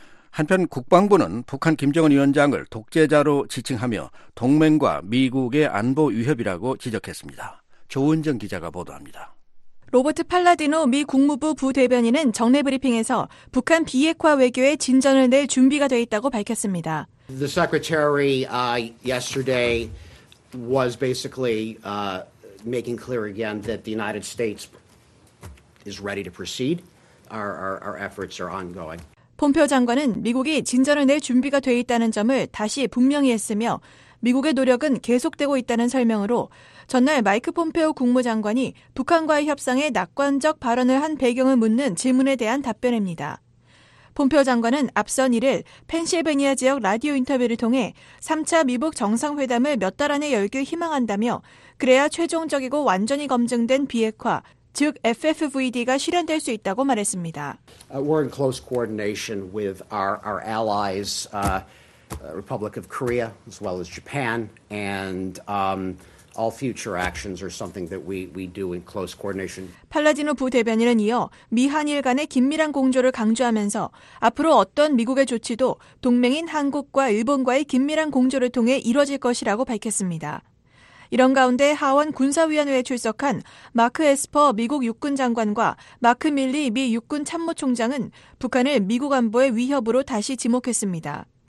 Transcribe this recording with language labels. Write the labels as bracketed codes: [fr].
[ko] 한편 국방부는 북한 김정은 위원장을 독재자로 지칭하며 동맹과 미국의 안보 위협이라고 지적했습니다. 조은정 기자가 보도합니다. 로버트 팔라디노 미 국무부 부대변인은 정례 브리핑에서 북한 비핵화 외교에 진전을 낼 준비가 돼 있다고 밝혔습니다. [en] The Secretary yesterday was basically making clear again that the United States is ready to proceed. Our efforts are ongoing. [ko] 폼페오 장관은 미국이 진전을 낼 준비가 돼 있다는 점을 다시 분명히 했으며 미국의 노력은 계속되고 있다는 설명으로 전날 마이크 폼페오 국무장관이 북한과의 협상에 낙관적 발언을 한 배경을 묻는 질문에 대한 답변입니다. 폼페오 장관은 앞선 1일 펜실베니아 지역 라디오 인터뷰를 통해 3차 미북 정상회담을 몇 달 안에 열길 희망한다며 그래야 최종적이고 완전히 검증된 비핵화, 즉 FFVD가 실현될 수 있다고 말했습니다. [en] We're in close coordination with our allies, Republic of Korea, as well as Japan, and all future actions are something that we do in close coordination. [ko] 팔라디노 부대변인은 이어 미한일 간의 긴밀한 공조를 강조하면서 앞으로 어떤 미국의 조치도 동맹인 한국과 일본과의 긴밀한 공조를 통해 이뤄질 것이라고 밝혔습니다. 이런 가운데 하원 군사위원회에 출석한 마크 에스퍼 미국 육군 장관과 마크 밀리 미 육군 참모총장은 북한을 미국 안보의 위협으로 다시 지목했습니다.